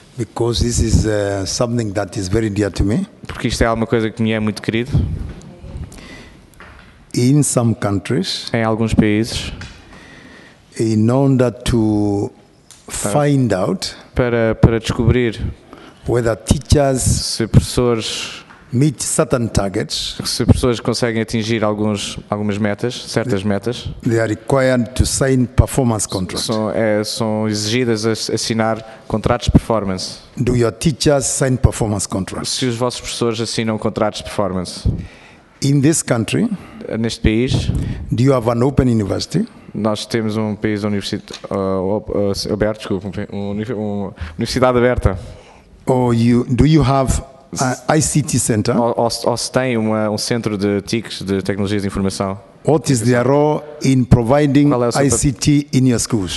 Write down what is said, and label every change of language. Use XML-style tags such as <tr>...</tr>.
<en>Because this is something that is very dear to me.</en> <pt>Porque isto é alguma coisa que me é muito querido.</pt> <en>In some countries.</en> <pt>Em alguns países.</pt> <en>In order to find out</en> <pt>para descobrir</pt> <en>whether teachers</en> <pt>se professores</pt> <en>meet certain targets</en> <pt>se professores conseguem atingir algumas metas certas metas</pt> <en>they are required to sign performance contracts</en> <pt>são exigidas a assinar contratos de performance</pt> <en>do your teachers sign performance contracts</en> <pt>se os vossos professores assinam contratos de performance</pt> <en>in this country</en> <pt>neste país</pt> <en>do you have an open university.</en> <pt>Nós temos um país universidade aberta.</pt> <en>Do you have an ICT center?</en> <pt>Ou se tem um centro de TICs, de tecnologias de informação?</pt> <en>What is their role in providing ICT in your schools?</en>